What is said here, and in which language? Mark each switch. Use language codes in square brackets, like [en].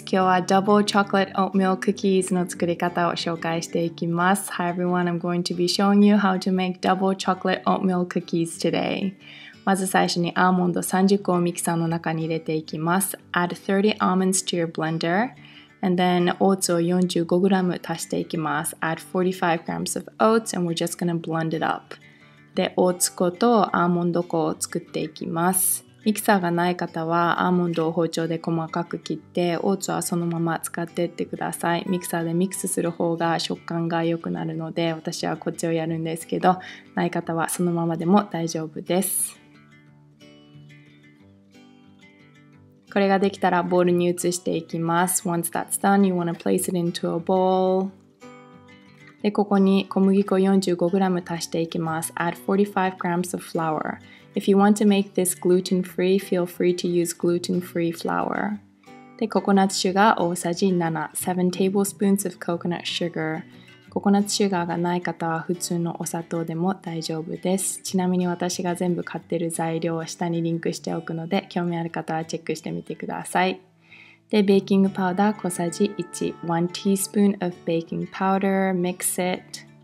[ja] 今日はダブルチョコレートオートミールクッキーズの作り方を紹介していきます。 [en] Hi everyone, I'm going to be showing you how to make double chocolate oat milk cookies today. [ja] まず最初にアーモンド30個をミキサーの中に入れていきます。 [en] Add 30 almonds to your blender. And then oats [ja] を 45g 足していきます。 [en] Add 45 grams of oats and we're just gonna blend it up. [ja] で、オーツ粉とアーモンド粉を作っていきます。ミキサーがない方はアーモンドを包丁で細かく切ってオーツはそのまま使っていってください。ミキサーでミックスする方が食感が良くなるので私はこっちをやるんですけど、ない方はそのままでも大丈夫です。これができたらボウルに移していきます。 [en] Once that's done, you want to place it into a bowl. [ja] で、ここに小麦粉 45g 足していきます。 [en] Add 45 grams of flour. If you want to make this gluten-free, feel free to use gluten-free flour. [ja] で、ココナッツシュガー大さじ7、 [en] 7 tablespoons of coconut sugar. [ja] ココナッツシュガーがない方は普通のお砂糖でも大丈夫です。ちなみに私が全部買ってる材料を下にリンクしておくので、興味ある方はチェックしてみてください。で、ベーキングパウダー小さじ1、 [en] 1 teaspoon of baking powder, mix it.